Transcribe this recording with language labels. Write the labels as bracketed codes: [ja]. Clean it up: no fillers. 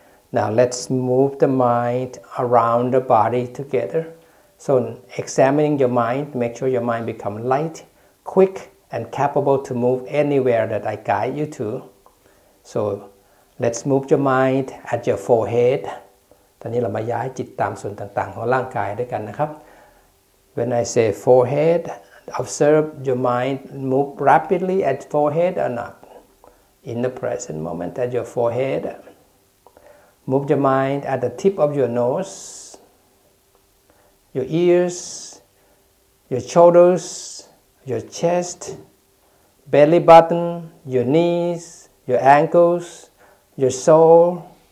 [en] Now let's move the mind around the body together. So examining your mind, make sure your mind become light, quick, and capable to move anywhere that I guide you to. So let's move your mind at your forehead. [th] ตอนนี้เรามาย้ายจิตตามส่วนต่างๆของร่างกายด้วยกันนะครับ [en] When I say forehead, observe your mind move rapidly at forehead or not. In the present moment at your forehead, move your mind at the tip of your nose, your ears, your shoulders, your chest, belly button, your knees, your ankles, your sole.